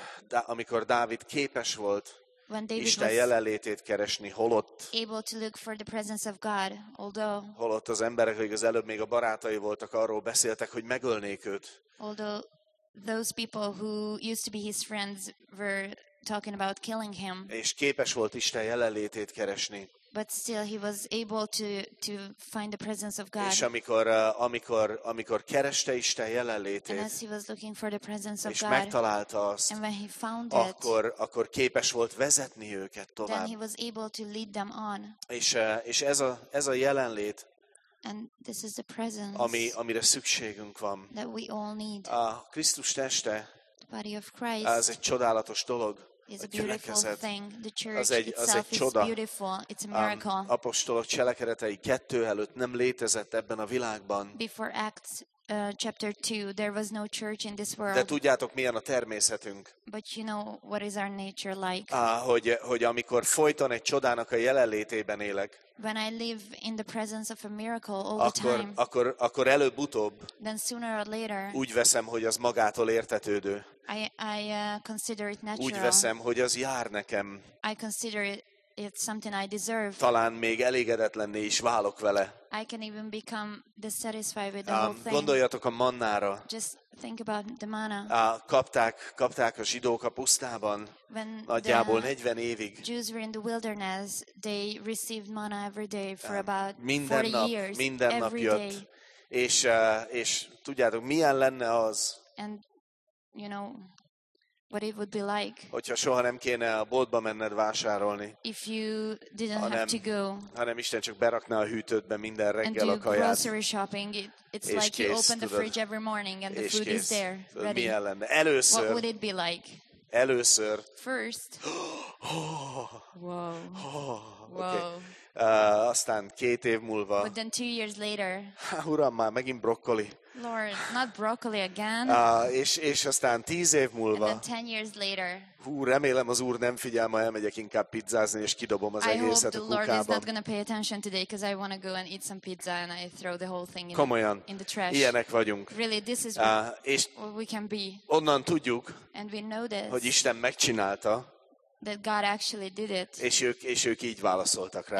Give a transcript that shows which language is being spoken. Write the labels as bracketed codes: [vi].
[hu] Amikor Dávid képes volt Isten jelenlétét keresni, holott [en] able to look for the presence of God, although [hu] holott az emberek, akik az előbb még a barátai voltak, arról beszéltek, hogy megölnék őt. [en] Although those people who used to be his friends were talking about killing him. [hu] És képes volt Isten jelenlétét keresni. [en] But still he was able to find the presence of God. [hu] És amikor kereste Isten jelenlétét. [en] And as he was looking for the presence of [hu] és [en] God. [hu] És megtalálta azt. [en] And when he found [hu] akkor, [en] it. [hu] Akkor képes volt vezetni őket tovább. [en] Then he was able to lead them on. [hu] És ez a jelenlét. [en] And this is the presence [hu] amire szükségünk van. [en] That we all need. [hu] A Krisztus teste, [en] the body of Christ, [hu] az egy csodálatos dolog, [en] is a beautiful thing. The church [hu] az egy csoda. [en] Beautiful. It's a miracle. [hu] Apostolok cselekedetei 2 előtt nem létezett ebben a világban. [en] Before Acts chapter 2, there was no church in this world. [hu] De tudjátok, milyen a természetünk. [en] But you know what is our nature like. [hu] Hogy amikor folyton egy csodának a jelenlétében élek, [en] when I live in the presence of a miracle all [hu] akkor, [en] the time, [hu] akkor előbb-utóbb, [en] then sooner or later, [hu] úgy veszem, hogy az magától értetődő. [en] I consider it natural. [hu] Úgy veszem, hogy az jár nekem. [en] I consider it it's something I deserve. [hu] Talán még elégedetlenné is válok vele. [en] I can even become dissatisfied with the whole thing. [hu] Gondoljatok a mannára. [en] Just think about the manna. [hu] Kapták a zsidók a pusztában. [en] When [hu] nagyjából 40 évig. [en] Jews were in the wilderness, they received manna every day for about 40 years. [hu] Minden nap jött. [en] Day. [hu] És tudjátok, milyen lenne az? [en] And you know what it would be like. [hu] Hogyha soha nem kéne a boltba menned vásárolni. [en] If you didn't have to go. [hu] Hanem Isten csak berakná a hűtődbe minden reggel a kaját. [en] And do grocery shopping. It's like [hu] kész, [en] you open the [hu] tudod, [en] fridge every morning and the food [hu] kész, [en] is there. Ready. [hu] Mi lenne? Először. [en] What would it be like? [hu] Először. [en] First. Wow. [hu] Wow. Aztán 2 év múlva. [en] But then 2 years later. [hu] Uram, már megint brokkoli. [en] Lord, not broccoli again. [hu] És aztán 10 év múlva. [en] And then 10 years later. [hu] Hú, remélem az Úr nem figyel, ma elmegyek inkább pizzázni és kidobom az [en] I [hu] egészet a kukába. [en] I hope the Lord is not going to pay attention today because I want to go and eat some pizza and I throw the whole thing in the trash. [hu] Ilyenek vagyunk. [en] Really, this is what we can be. [hu] Onnan tudjuk. [en] And we know this. [hu] Hogy Isten megcsinálta. [en] That God actually did it. [hu] És ők így válaszoltak rá.